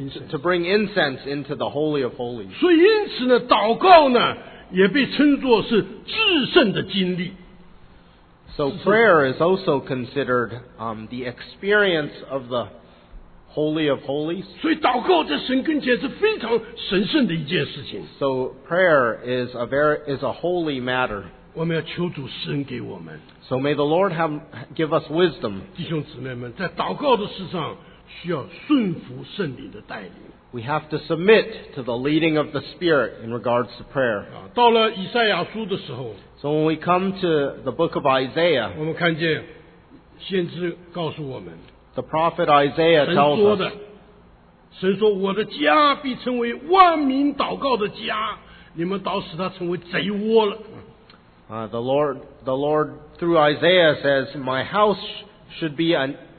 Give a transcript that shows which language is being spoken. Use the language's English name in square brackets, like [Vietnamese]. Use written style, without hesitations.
[English] To bring incense into the Holy of Holies. [Chinese] 所以因此呢，祷告呢也被称作是至圣的经历。 [English] So prayer is also considered the experience of the Holy of Holies. [Chinese] 所以祷告在神跟前是非常神圣的一件事情。 [English] So prayer is a holy matter. [Chinese] 我们要求主施恩给我们。 [English] So may the Lord give us wisdom. [Chinese] 弟兄姊妹们，在祷告的事上需要顺服圣灵的带领。 [English] We have to submit to the leading of the Spirit in regards to prayer. [Chinese] 到了以赛亚书的时候。 [English] So when we come to the book of Isaiah, [Chinese] 我们看见先知告诉我们 [English] ，The prophet Isaiah tells us, [Chinese] 神说我的家必成为万民祷告的家，你们倒使它成为贼窝了。 [English] The Lord through Isaiah says, My house should be a